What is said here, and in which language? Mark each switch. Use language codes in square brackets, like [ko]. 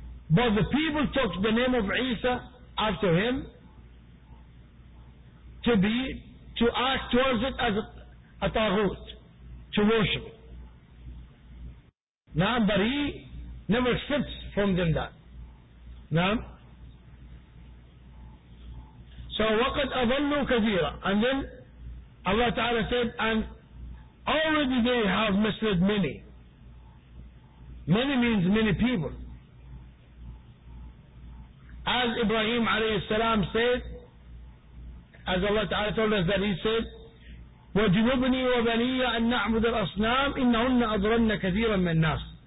[en] But the people took the name of Isa after him to act towards it as a ta'ghut, to worship. Now, but he never accepts from them that. Now, so [ar] وَقَدْ أَظَلُّوا كَثِيرًا. [en] And then Allah Ta'ala said, and already they have misled many. Many means many people. As Ibrahim alayhi salam said, as Allah Ta'ala told us that he said, [ar] وَجُنُبْنِي وَبَنِيَّ أَن نَعْبُدَ الْأَصْنَامِ إِنَّهُنَّ أَضْرَنَّ كَثِيرًا مِنَ النَّاسِ.